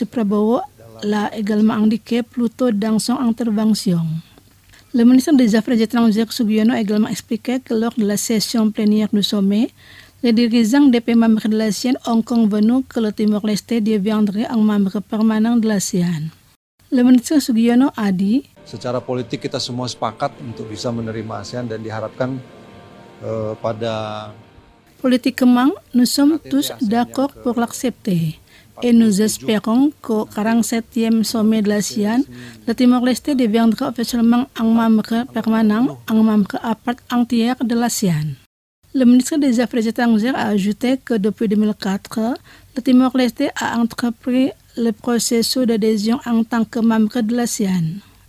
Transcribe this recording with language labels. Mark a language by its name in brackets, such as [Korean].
[French] Prabowo l'a également indiqué plus tôt dans son intervention. Le ministre des Affaires étrangères, Sugiono, a également expliqué que lors de la session plénière du sommet, les dirigeants des pays membres de l'ASEAN ont convenu que le Timor-Leste deviendrait un membre permanent de l'ASEAN. Le ministre Sugiono a dit: [Indonesian] Secara politik kita semua sepakat untuk bisa menerima ASEAN dan diharapkan pada [French] politiquement nous sommes tous d'accord pour l'accepter et nous espérons qu'au 47e sommet de l'ASEAN, le Timor-Leste deviendra officiellement un membre permanent, un membre à part entière de l'ASEAN. Le ministre des Affaires étrangères a ajouté que depuis 2004, le Timor-Leste a entrepris le processus d'adhésion en tant que membre de l'ASEAN.